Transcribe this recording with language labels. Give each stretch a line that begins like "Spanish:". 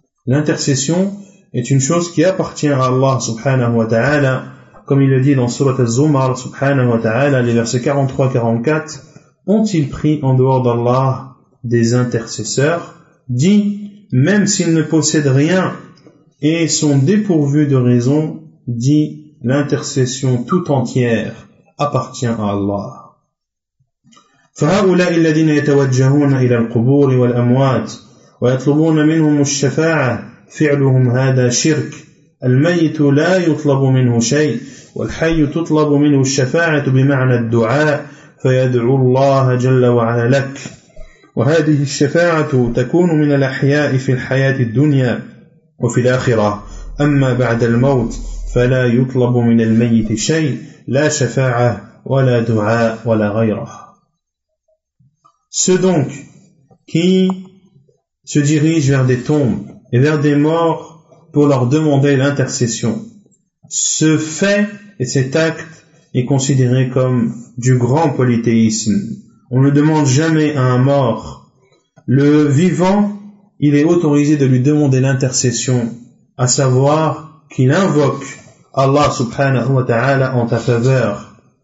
French: L'intercession est une chose qui appartient à Allah subhanahu wa ta'ala, comme il le dit dans Surat Az-Zumar subhanahu wa ta'ala, les versets 43-44, ont-ils pris en dehors d'Allah des intercesseurs? Dit, même s'ils ne possèdent rien et sont dépourvus de raison, dit, l'intercession tout entière appartient à Allah.
Arabic: فهؤلاء الذين يتوجهون إلى القبور والأموات ويطلبون منهم الشفاعة فعلهم هذا شرك الميت لا يطلب منه شيء والحي تطلب منه الشفاعة بمعنى الدعاء فيدعو الله جل وعلا لك وهذه الشفاعة تكون من الأحياء في الحياة الدنيا وفي الآخرة أما بعد الموت فلا يطلب من الميت شيء لا شفاعة ولا دعاء ولا غيره.
French: Ceux donc qui se dirigent vers des tombes et vers des morts pour leur demander l'intercession. Ce fait et cet acte est considéré comme du grand polythéisme. On ne demande jamais à un mort. Le vivant, il est autorisé de lui demander l'intercession, à savoir qu'il invoque Allah subhanahu wa ta'ala en ta faveur.